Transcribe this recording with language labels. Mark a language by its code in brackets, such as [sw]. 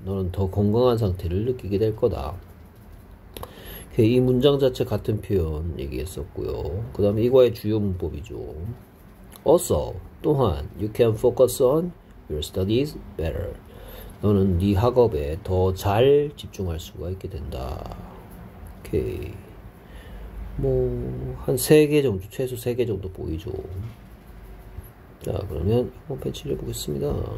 [ko] 너는 더 건강한 상태를 느끼게 될 거다. 이 문장 자체 같은 표현 얘기했었고요. 그 다음에 이거의 주요 문법이죠. [en] Also, [ko] 또한 [en] you can focus on your studies better. [ko] 너는 네 학업에 더잘 집중할 수가 있게 된다. 오케이. 뭐한 3개 정도, 최소 3개 정도 보이죠. 자, 그러면 한번 펜치를 해보겠습니다.